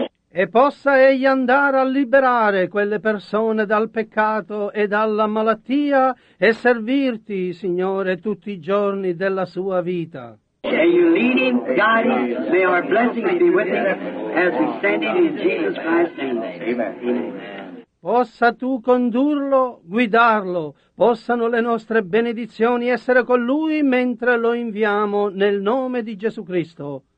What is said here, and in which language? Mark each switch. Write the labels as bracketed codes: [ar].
[it] E possa egli andare a liberare quelle persone dal peccato e dalla malattia e servirti, Signore, tutti i giorni della sua vita. [en] May you lead him, guide him. May our blessings be with him as we send it in Jesus Christ's name. Amen. [it] Possa tu condurlo, guidarlo, possano le nostre benedizioni essere con lui mentre lo inviamo nel nome di Gesù Cristo.